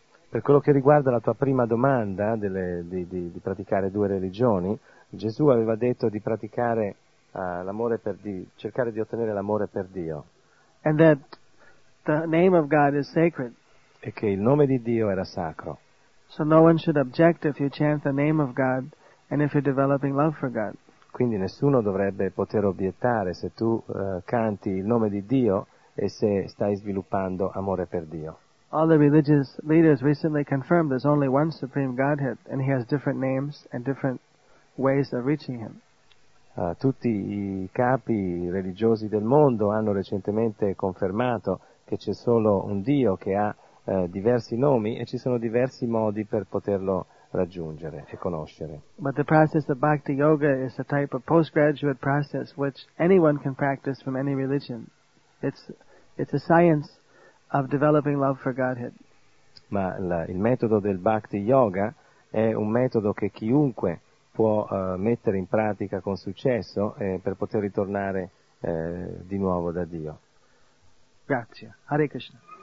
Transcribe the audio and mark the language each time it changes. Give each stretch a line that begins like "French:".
Italian: Per quello che riguarda la tua prima domanda di praticare due religioni, Gesù aveva detto di praticare l'amore per Dio, cercare di ottenere l'amore per Dio.
English: And that the name of God is sacred.
Italian: E che il nome di Dio era sacro.
English: So no one should object if you chant the name of God and if you're developing love for God.
Italian: quindi nessuno dovrebbe poter obiettare se tu canti il nome di Dio e se stai sviluppando amore per Dio.
English: All the religious leaders recently confirmed there's only one supreme Godhead and he has different names and different ways of reaching him.
Italian: Tutti i capi religiosi del mondo hanno recentemente confermato che c'è solo un Dio che ha diversi nomi e ci sono diversi modi per poterlo raggiungere e conoscere.
English: But the process of Bhakti Yoga is a type of postgraduate process which anyone can practice from any religion. It's a science of developing love for Godhead.
Italian: Ma il metodo del Bhakti Yoga è un metodo che chiunque può mettere in pratica con successo per poter ritornare di nuovo da Dio. Grazie. Hare Krishna.